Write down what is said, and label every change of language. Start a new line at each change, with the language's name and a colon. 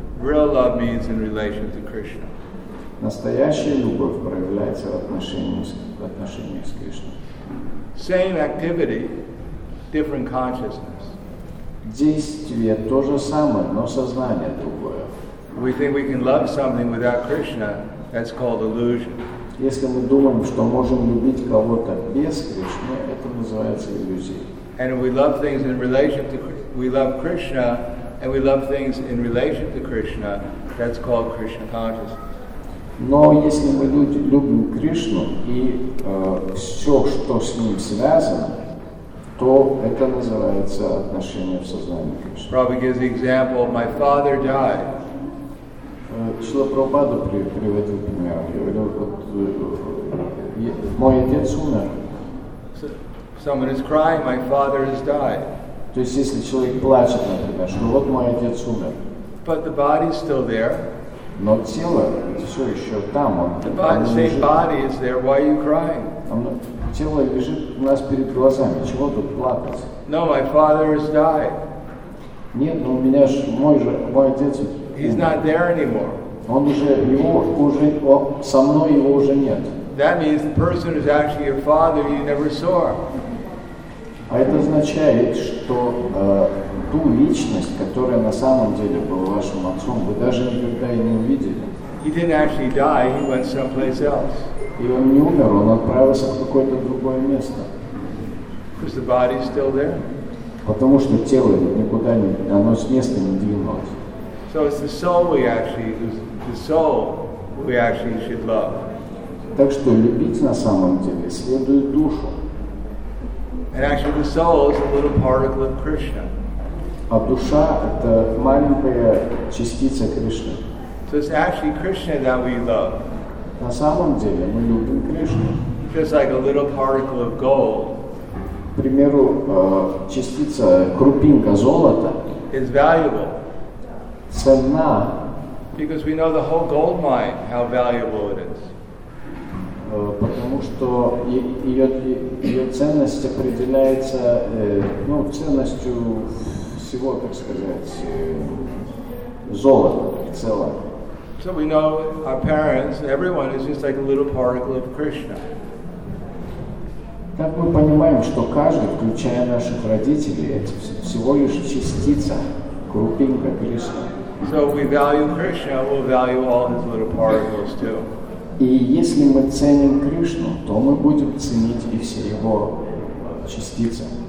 English: Real love means in relation to Krishna.
Russian: Настоящая любовь проявляется в отношении с Кришной.
English: Same activity, different consciousness.
Russian: Действие то же самое, но сознание другое.
English: We think we can love something without Krishna, that's called illusion.
Russian: Если мы думаем, что можем любить кого-то без Кришны, это называется иллюзией.
English: And if we love things in relation to we love Krishna, and we love things in relation to Krishna, that's called Krishna consciousness.
Russian: Но если мы любим Кришну и все, что с ним связано, то это называется отношение в сознании Кришны.
English: Prabhupada gives the example: my father died.
Russian: Шрила Прабхупада приводил пример. Говорил, вот мой отец умер.
English: Someone is crying, my father has died.
Russian: То есть если человек плачет, например, что вот мой отец умер.
English: But the body is still there.
Russian: Но тело все еще там.
English: The body, same body is there, why are you crying?
Russian: Тело лежит у нас перед глазами, чего тут плакать?
English: No, my father has died.
Russian: Нет, но у меня же мой отец
English: He's not there anymore.
Russian: Он уже его уже со мной его уже нет.
English: That means the person is actually your father you never saw.
Russian: А это означает, что ту личность, которая на самом деле была вашим отцом, вы даже никогда и не увидели.
English: He didn't actually die, he went someplace else.
Russian: И он не умер, он отправился в какое-то другое место.
English: Because the body is still there.
Russian: Потому что тело никуда не, оно с места не двинулось.
English: So it's the soul we actually, the soul we actually should love.
Russian: Так что любить на самом деле следует душу.
English: And actually the soul is a little particle of Krishna.
Russian: А душа это маленькая частица Кришны.
English: So it's actually Krishna that we love.
Russian: На самом деле мы любим Кришну.
English: Just like a little particle of gold.
Russian: К примеру, частица, крупинка золота.
English: Is valuable.
Russian: Ценна.
English: Because we know the whole gold mine, how valuable it is.
Russian: Потому что ее ценность определяется ну, ценностью всего, так сказать, золота в целом.
English: So we know our parents, everyone is just like a little particle of Krishna.
Russian: Так мы понимаем, что каждый, включая наших родителей, это всего лишь частица, крупинка Кришны.
English: So if we value Krishna, we'll value all his little particles too.
Russian: И если мы ценим Кришну, то мы будем ценить и все его частицы.